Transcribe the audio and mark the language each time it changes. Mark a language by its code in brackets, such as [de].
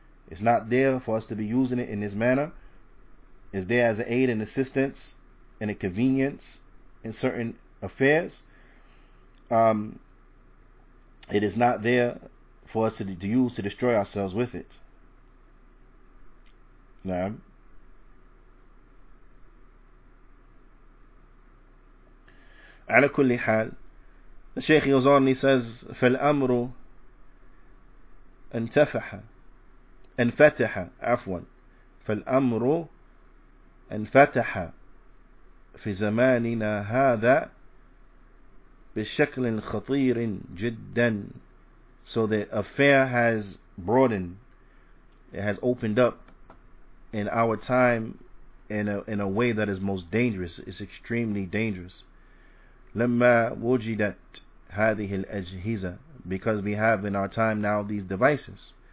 [en] It's not there for us to be using it in this manner. It's there as an aid and assistance and a convenience in certain affairs. It is not there for us to use to destroy ourselves with it. [ar] Now, على كل حال, [en] the Shaykh goes on and he says, [ar] فالأمر انتفح انفتح عفوا فالأمر انفتح في زماننا هذا بشكل خطير جدا. [en] So the affair has broadened, it has opened up in our time in a way that is most dangerous. It's extremely dangerous. [ar] لما وجدت هذه الأجهزة, [en] because we have in our time now these devices.